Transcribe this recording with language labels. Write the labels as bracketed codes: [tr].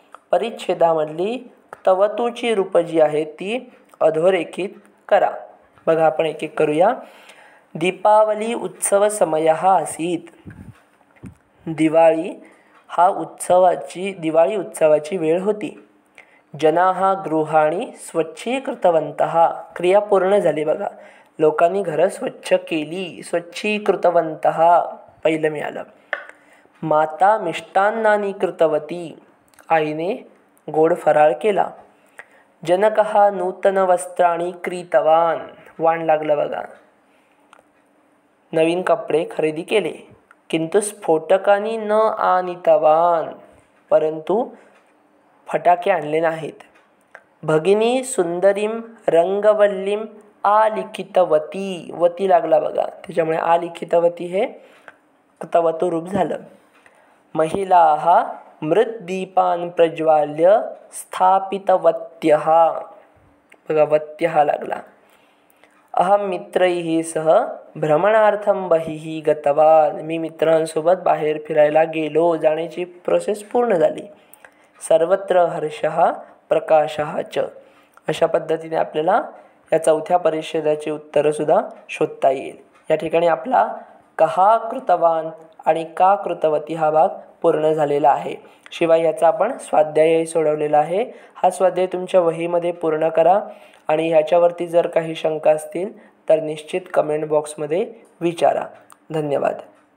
[mr] परिच्छेदामधली क्तवतुची रूपं जी आहेत ती अधोरेखित करा. बघा, आपण एक एक करूया. [sa] दीपावली उत्सव समय आसीत. [mr] दिवाळी हा उत्सवाची, दिवाळी उत्सवाची वेळ होती. [sa] जनाः गृहाणि स्वच्छीकृतवन्तः. [mr] क्रिया पूर्ण झाली बघा, लोकांनी घरं स्वच्छ केली, स्वच्छीकृतवन्तः पहिलं मिळालं. [sa] माता मिष्टान्नानि कृतवती, [mr] आईने गोड फराळ केला. [sa] जनकः नूतनवस्त्राणि क्रीतवान, [mr] वाण लागलं बघा, नवीन कपडे खरेदी केले. [sa] किंतु स्फोटकांनी न आनितवान, [mr] परंतु फटाके आणले नाहीत. [sa] भगिनी सुंदरीम रंगवल्लीम आलिखितवती, [mr] वती लागला बघा, त्याच्यामुळे आलिखितवती हे तवतु रूप झालं. [sa] महिलाः मृद्दीपान प्रज्वाल्य स्थापितवत्यः, [mr] बघा वत्यः लागला. [sa] अहम मित्रैः सह भ्रमणार्थं बहिः गतवान, [mr] मी मित्रांसोबत बाहेर फिरायला गेलो, जाण्याची प्रोसेस पूर्ण झाली. [sa] सर्वत्र हर्षः प्रकाशः च. [mr] अशा पद्धतीने आपल्याला या चौथ्या परिच्छेदाचे उत्तरसुद्धा शोधता येईल. या ठिकाणी आपला कहा कृतवान आणि का कृतवती हा भाग पूर्ण झालेला आहे. शिवाय याचा आपण स्वाध्यायही सोडवलेला आहे. हा स्वाध्याय तुमच्या वहीमध्ये पूर्ण करा आणि ह्याच्यावरती जर काही शंका असतील तर निश्चित कमेंट बॉक्समध्ये विचारा. धन्यवाद.